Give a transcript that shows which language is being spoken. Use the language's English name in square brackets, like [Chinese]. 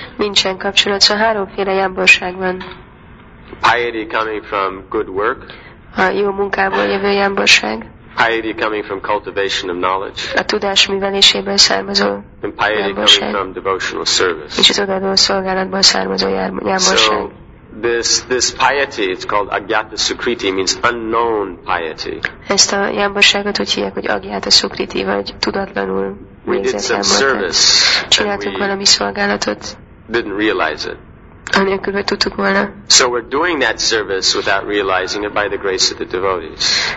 [Hungarian] Nincsen kapcsolat, szóval háromféle jámborság van. [English] Piety coming from good work. [Hungarian] A jó munkából jövő jámborság. [English] Piety coming from cultivation of knowledge. [Hungarian] A tudás műveléséből származó jámborság. [English] And piety coming from devotional service. [Hungarian] És az odaadó szolgálatból származó jámborság. [English] So this piety, it's called agyata sukriti, means unknown piety. [Hungarian] Ezt a jámborságot úgy hívják, hogy agyata sukriti, vagy tudatlanul végzett jámborság. Csináltuk valami szolgálatot. [English] Didn't realize it. [Hungarian] Anélkül, hogy tudtuk volna. [English] So we're doing that service without realizing it by the grace of the devotees.